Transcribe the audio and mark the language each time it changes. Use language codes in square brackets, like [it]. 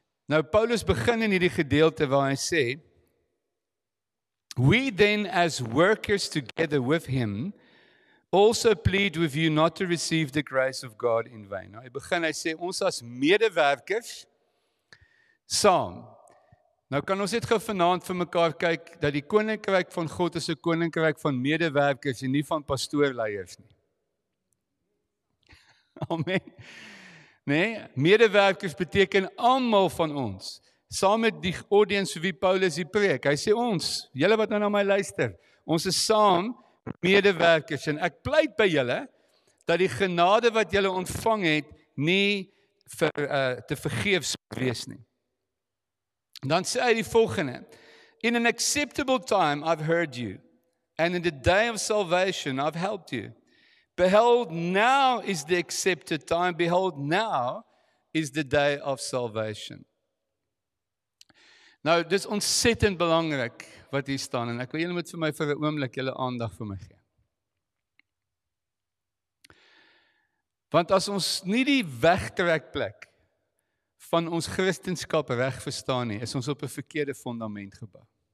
[af] Nou, Paulus begin in die gedeelte waar hy sê, [en] "We then as workers together with him also plead with you not to receive the grace of God in vain." [af] Nou, hy begin, hy sê, ons as medewerkers saam. Nou kan ons net gou vanaand vir mekaar kyk dat die koninkryk van God is 'n koninkryk van medewerkers en nie van pastoorleiers nie. Amen. Nee, medewerkers beteken almal van ons. Saam met die audience wie Paulus die preek. Hy sê ons, julle wat nou na my luister, ons is saam medewerkers en ek pleit by julle dat die genade wat julle ontvang het nie vir te vergeefs wees nie. Dan sê hy die volgende, [en] "In an acceptable time I've heard you, and in the day of salvation I've helped you. Behold, now is the accepted time, behold, now is the day of salvation." [af] Nou, dit is ontsettend belangrik wat hier staan, en ek wil julle moet vir my vir 'n oomblik julle aandag vir my gee. Want as ons nie die wegtrekplek van ons Christenskap reg verstaan nie, is ons op 'n verkeerde fundament gebou.